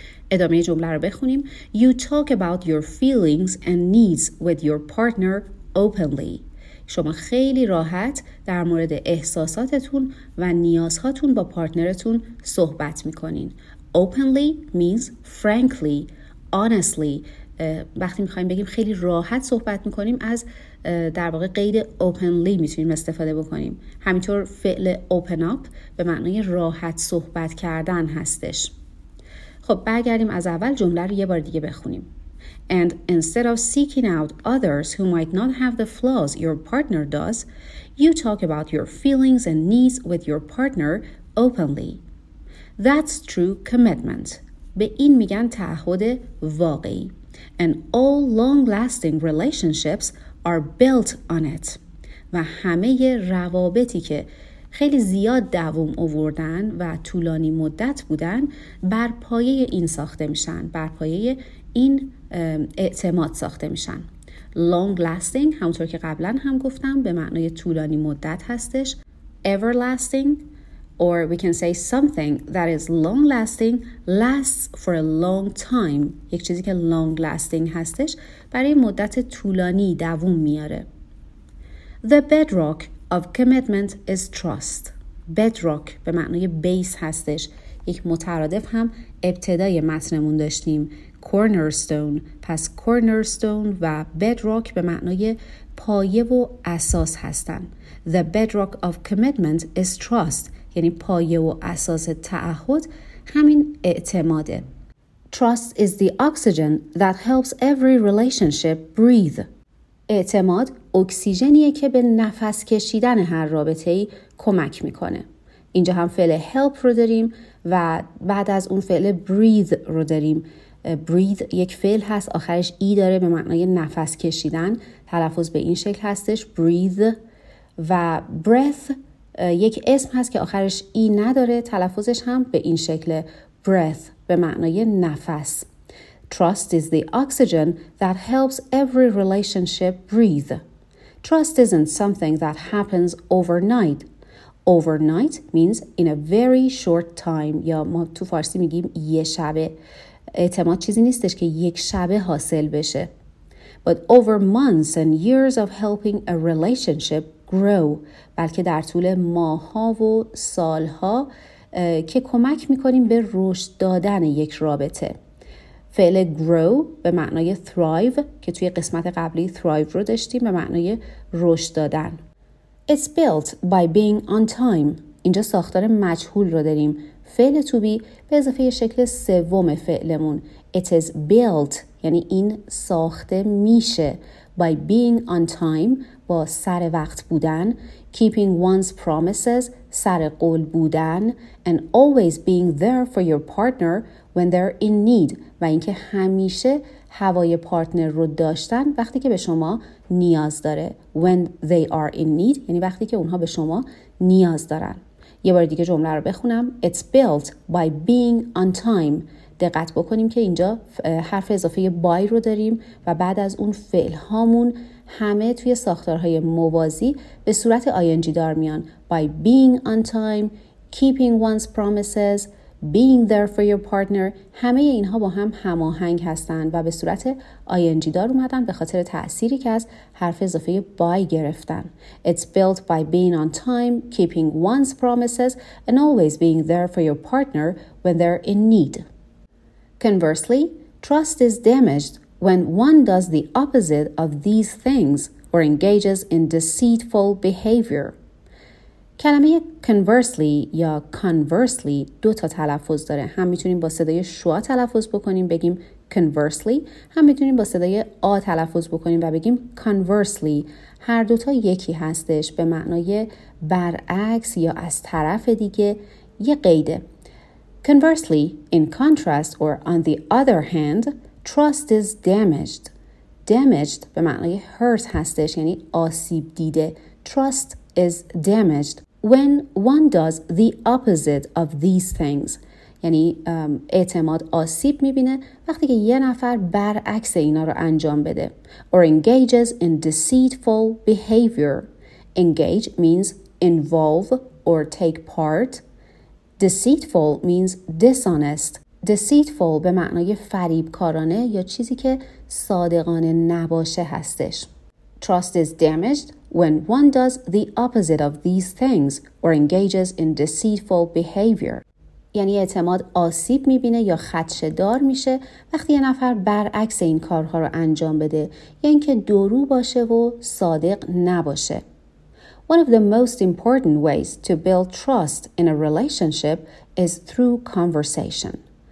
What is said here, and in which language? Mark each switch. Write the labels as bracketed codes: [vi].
[fa] ادامه جمله رو بخونیم. [en] You talk about your feelings and needs with your partner openly. [fa] شما خیلی راحت در مورد احساساتتون و نیازهاتون با پارتنرتون صحبت میکنین. [en] Openly means frankly, honestly. [fa] وقتی میخواییم بگیم خیلی راحت صحبت میکنیم از در واقع قید openly میتونیم استفاده بکنیم. همینطور فعل open up به معنی راحت صحبت کردن هستش. خب برگردیم از اول جمله رو یه بار دیگه بخونیم. [en] And instead of seeking out others who might not have the flaws your partner does, you talk about your feelings and needs with your partner openly. That's true commitment. [fa] به این میگن تعهد واقعی. [en] And all long-lasting relationships are built on it. [fa] و همه روابطی که خیلی زیاد دوام آوردن و طولانی مدت بودن بر پایه این ساخته میشن, بر پایه این اعتماد ساخته میشن. Long lasting همونطور که قبلا هم گفتم به معنای طولانی مدت هستش. [en] Everlasting or we can say something that is long lasting lasts for a long time. [fa] یک چیزی که long lasting هستش برای مدت طولانی دوام میاره. [en] The bedrock of commitment is trust. Bedrock [fa] به معنای base هستش. یک مترادف هم ابتدای متنمون داشتیم. [en] Cornerstone. [fa] پس cornerstone و bedrock به معنای پایه و اساس هستن. [en] The bedrock of commitment is trust. [fa] یعنی پایه و اساس تعهد همین اعتماده. [en] Trust is the oxygen that helps every relationship breathe. [fa] اعتماد اکسیژنیه که به نفس کشیدن هر رابطه‌ای کمک میکنه. اینجا هم فعل help رو داریم و بعد از اون فعل breathe رو داریم. Breathe یک فعل هست, آخرش ای داره به معنای نفس کشیدن. تلفظ به این شکل هستش، breathe، و breath یک اسم هست که آخرش ای نداره، تلفظش هم به این شکل breath به معنای نفس. [en] Trust is the oxygen that helps every relationship breathe. Trust isn't something that happens overnight. Overnight means in a very short time. [fa] یا ما تو فارسی میگیم یه شبه. اعتماد چیزی نیستش که یک شبه حاصل بشه. [en] But over months and years of helping a relationship grow. [fa] بلکه در طول ماها و سالها که کمک میکنیم به رشد دادن یک رابطه. فعل grow به معنای thrive که توی قسمت قبلی thrive رو داشتیم به معنای رشد دادن. [en] It's built by being on time. [fa] اینجا ساختار مجهول رو داریم. فعل to be به اضافه شکل سوم فعلمون. [en] It is built [fa] یعنی این ساخته میشه. [en] By being on time [fa] با سر وقت بودن. [en] Keeping one's promises [fa] سر قول بودن. [en] And always being there for your partner when they're in need. [fa] و اینکه همیشه هوای پارتنر رو داشتن وقتی که به شما نیاز داره. [en] When they are in need [fa] یعنی وقتی که اونها به شما نیاز دارن. یه بار دیگه جمله رو بخونم. [en] It's built by being on time. [fa] دقت بکنیم که اینجا حرف اضافه by رو داریم و بعد از اون فعل هامون همه توی ساختارهای موازی به صورت ing دار میان. [en] By being on time, keeping one's promises, being there for your partner، [fa] همه اینها با هم هماهنگ هستند و به صورت ing دار اومدن به خاطر تأثیری که از حرف اضافه by گرفتن. [en] It's built by being on time, keeping one's promises and always being there for your partner when they're in need. Conversely, trust is damaged when one does the opposite of these things or engages in deceitful behavior. [fa] کلمه conversely یا conversely دو تا تلفظ داره. هم میتونیم با صدای شوا تلفظ بکنیم بگیم conversely، هم میتونیم با صدای آ تلفظ بکنیم و بگیم conversely. هر دوتا یکی هستش به معنای برعکس یا از طرف دیگه. یه قیده. [en] Conversely, in contrast or on the other hand, trust is damaged. [fa] Damaged به معنی hurt هستش یعنی آسیب دیده. [en] Trust is damaged when one does the opposite of these things. [fa] یعنی اعتماد آسیب میبینه وقتی که یه نفر برعکس اینا رو انجام بده. [en] Or engages in deceitful behavior. Engage means involve or take part. Deceitful means dishonest. [fa] Deceitful به معنای فریبکارانه یا چیزی که صادقانه نباشه هستش. [en] Trust is damaged when one does the opposite of these things or engages in deceitful behavior. [fa] یعنی اعتماد آسیب میبینه یا خدشه‌دار میشه وقتی یه نفر برعکس این کارها رو انجام بده یا یعنی اینکه دورو باشه و صادق نباشه. [en] One of the most important ways to build trust in a relationship is through conversation.